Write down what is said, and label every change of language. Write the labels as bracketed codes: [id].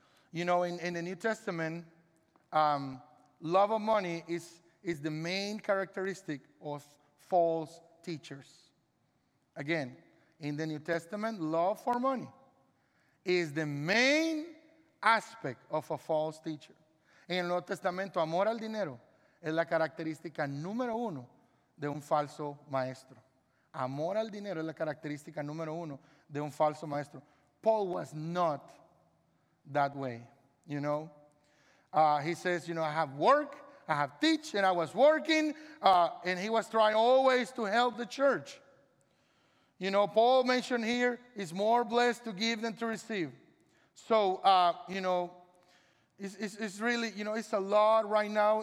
[en] You know, in the New Testament, love of money is the main characteristic of false teachers. Again, in the New Testament, love for money is the main aspect of a false teacher. [es] En el Nuevo Testamento, amor al dinero es la característica número uno de un falso maestro. Amor al dinero es la característica número uno de un falso maestro. [en] Paul was not that way, you know. He says, you know, I have work, I have teach, and I was working, and he was trying always to help the church. You know, Paul mentioned here, it's more blessed to give than to receive. So, you know, it's really, you know, it's a lot right now.